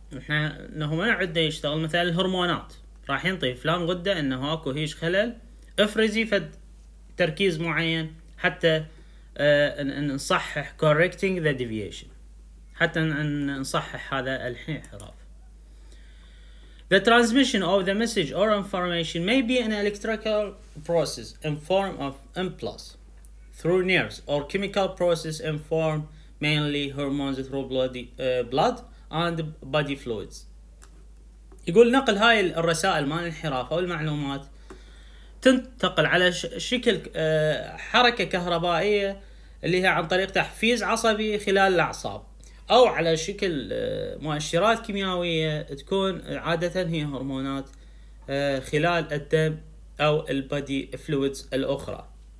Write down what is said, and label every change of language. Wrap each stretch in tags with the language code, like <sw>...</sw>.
<ar>احنا انه ما عدنا يشتغل مثلا الهرمونات راح ينطي فلان غدة انه اكو هيش خلل افرزي فد تركيز معين حتى نصحح</ar> <en>correcting the deviation،</en> <ar>حتى نصحح هذا الانحراف.</ar> <en>The transmission of the message or information may be an electrical process in form of impulse through nerves or chemical process in form mainly hormones through blood and body fluids.</en> <ar>يقول نقل هاي الرسائل مال الانحراف او المعلومات تنتقل على شكل حركة كهربائية اللي هي عن طريق تحفيز عصبي خلال الاعصاب، او على شكل مؤشرات كيميائية تكون عادة هي هرمونات خلال الدم او البادي فلويدز الاخرى.</ar>